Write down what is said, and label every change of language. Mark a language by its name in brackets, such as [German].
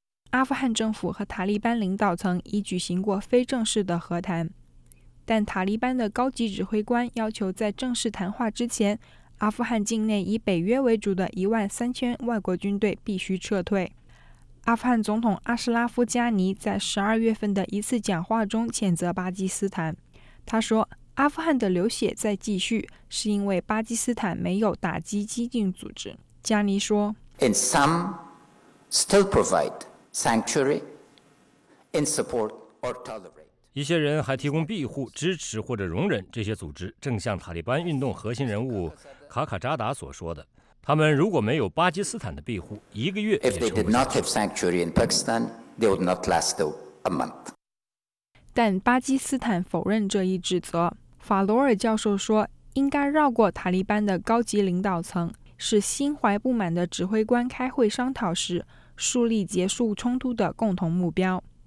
[Chinese] 阿富汗政府和塔利班领导层已举行过非正式的和谈，但塔利班的高级指挥官要求在正式谈话之前，阿富汗境内以北约为主的13000外国军队必须撤退。阿富汗总统阿什拉夫加尼在12月份的一次讲话中谴责巴基斯坦，他说阿富汗的流血在继续是因为巴基斯坦没有打击激进组织。加尼说 [English] And some still provide sanctuary in support or tolerate. [Chinese] 一些人还提供庇护支持或者容忍这些组织，正像塔利班运动核心人物卡卡扎达所说的，他们如果没有巴基斯坦的庇护，一个月也撑不下去。 [English] If they did not have sanctuary in Pakistan, they would not last a month. [Chinese] 但巴基斯坦否认这一指责。法罗尔教授说，应该绕过塔利班的高级领导层，是心怀不满的指挥官开会商讨时，树立结束冲突的共同目标。